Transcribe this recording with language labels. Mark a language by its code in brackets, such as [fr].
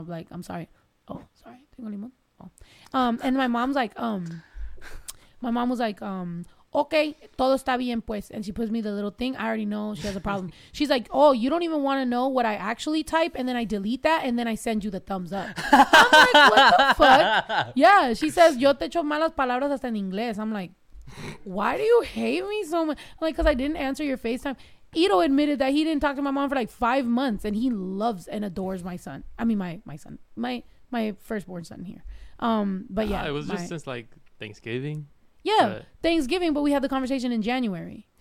[en] I'm like, I'm sorry. Oh, sorry. [es] Tengo limón. [en] And my mom was like, okay, [es] todo está bien, pues. [en] And she puts me the little thing. I already know she has a problem. She's like, oh, you don't even want to know what I actually type. And then I delete that. And then I send you the thumbs up. I'm like, what the fuck? Yeah, she says, [es] yo te echo malas palabras hasta en inglés. [en] I'm like, why do you hate me so much? I'm like, because I didn't answer your FaceTime. Ito admitted that he didn't talk to my mom for like 5 months. And he loves and adores my son. I mean, my firstborn son here. But yeah. It was just since like Thanksgiving. Yeah, Thanksgiving, but we had the conversation in January.